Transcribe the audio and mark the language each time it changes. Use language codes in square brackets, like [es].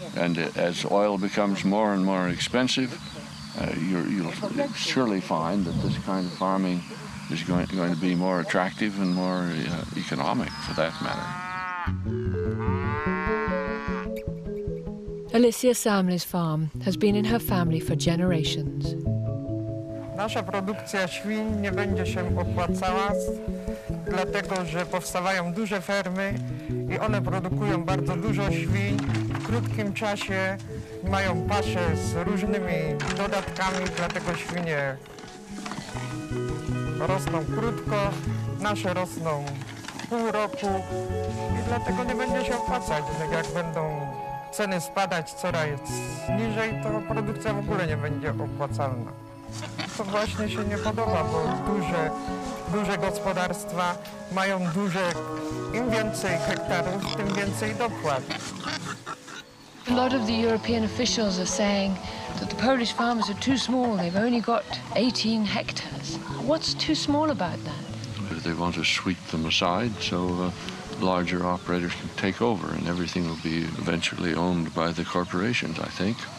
[en] And as oil becomes more and more expensive, you'll surely find that this kind of farming is going to be more attractive and more economic, for that matter. Alicia Samley's farm has been in her family for generations. [pl] Nasza produkcja świń nie będzie się opłacała, dlatego że powstawają duże fermy i one produkują bardzo dużo świń. W krótkim czasie mają pasze z różnymi dodatkami, dlatego świnie rosną krótko, nasze rosną pół roku i dlatego nie będzie się opłacać. Tak jak będą ceny spadać coraz niżej, to produkcja w ogóle nie będzie opłacalna. To właśnie się nie podoba, bo duże gospodarstwa mają duże, im więcej hektarów, tym więcej dopłat. [en] A lot of the European officials are saying that the Polish farms are too small. They've only got 18 hectares. What's too small about that? They want to sweep them aside so larger operators can take over, and everything will be eventually owned by the corporations, I think.